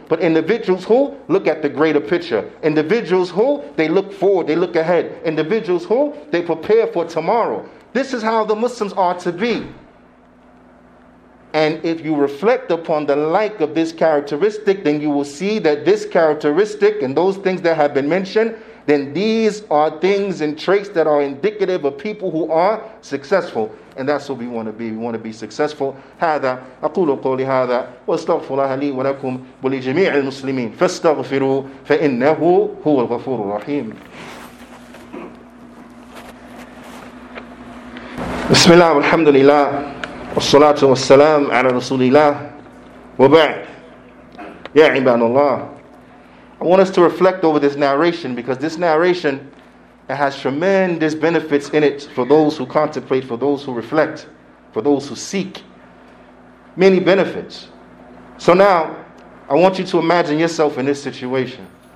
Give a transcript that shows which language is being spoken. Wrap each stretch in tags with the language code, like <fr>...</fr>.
<en>But individuals who look at the greater picture, individuals who they look forward, they look ahead, individuals who they prepare for tomorrow. This is how the Muslims are to be. And if you reflect upon the like of this characteristic, then you will see that this characteristic and those things that have been mentioned, then these are things and traits that are indicative of people who are successful. And that's what we want to be. We want to be successful.</en> <ar>هذا أقول قولي هذا واستغفر الله لي ولكم ولجميع المسلمين فاستغفروا فإنه هو الغفور الرحيم. بسم الله والحمد لله والصلاة والسلام على رسول الله وبعد يا عباد الله.</ar> <en>I want us to reflect over this narration, because this narration, it has tremendous benefits in it for those who contemplate, for those who reflect, for those who seek. Many benefits. So now, I want you to imagine yourself in this situation.</en>